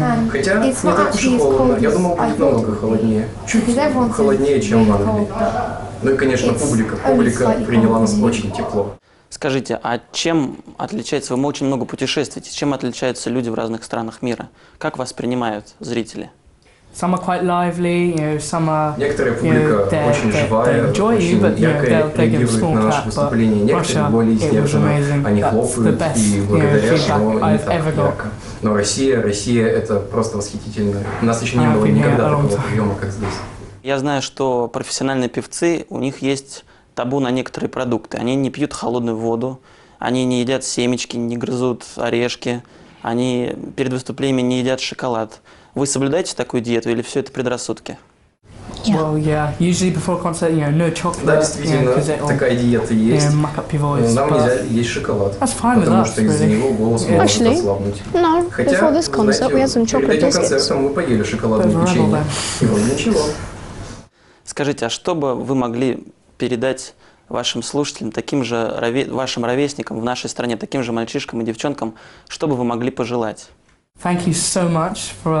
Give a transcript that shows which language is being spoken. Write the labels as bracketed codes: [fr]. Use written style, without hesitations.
[ru] Хотя не так уж и холодно. Я думал, будет намного холоднее. Чуть холоднее, чем в Англии. Ну и, конечно, публика. Публика приняла нас очень тепло. Скажите, а чем отличается... Вы очень много путешествуете. Чем отличаются люди в разных странах мира? Как воспринимают зрители? [en] Some are quite lively, some are... [ru] Некоторая публика очень живая, очень яркая, реагирует на наше выступление. Некоторые более сдержанные, они хлопают и благодарят, но не так ярко. Но Россия – это просто восхитительно. У нас еще не было никогда такого приема, как здесь. Я знаю, что профессиональные певцы, у них есть табу на некоторые продукты. Они не пьют холодную воду, они не едят семечки, не грызут орешки, они перед выступлением не едят шоколад. Вы соблюдаете такую диету или все это предрассудки? [en] Well, yeah. Usually before concert, no chocolate. [ru] Да, действительно, такая диета есть. [en] Muck up your voice, [ru] нам нельзя есть шоколад. [en] That's fine with us, [ru] потому что из-за него голос [en] yeah. [ru] может ослабнуть. [en] No, before this concert, we had some chocolate biscuits. [ru] Перед этим концертом мы поели шоколадное печенье. И вот ничего. Скажите, а что бы вы могли передать вашим слушателям, таким же вашим ровесникам в нашей стране, таким же мальчишкам и девчонкам, что бы вы могли пожелать? [en] Thank you so much